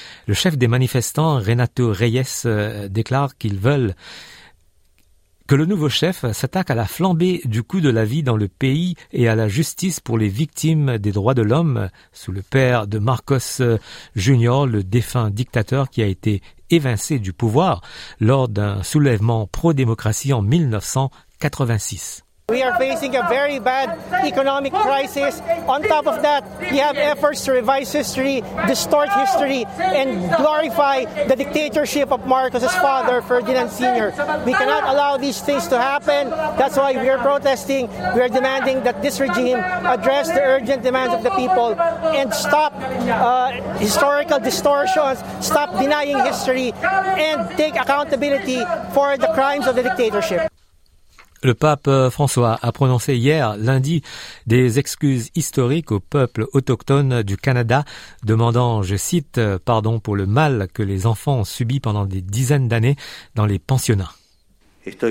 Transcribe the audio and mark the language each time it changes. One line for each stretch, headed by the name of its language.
French: Le chef des manifestants, Renato Reyes, déclare qu'ils veulent que le nouveau chef s'attaque à la flambée du coût de la vie dans le pays et à la justice pour les victimes des droits de l'homme, sous le père de Marcos Jr., le défunt dictateur qui a été évincé du pouvoir lors d'un soulèvement pro-démocratie en 1986.
English: We are facing a very bad economic crisis. On top of that, we have efforts to revise history, distort history, and glorify the dictatorship of Marcos's father, Ferdinand Sr. We cannot allow these things to happen. That's why we are protesting. We are demanding that this regime address the urgent demands of the people and stop historical distortions, stop denying history, and take accountability for the crimes of the dictatorship.
French: Le pape François a prononcé hier, lundi, des excuses historiques aux peuples autochtones du Canada, demandant, je cite, « pardon pour le mal que les enfants ont subi pendant des dizaines d'années dans les pensionnats ».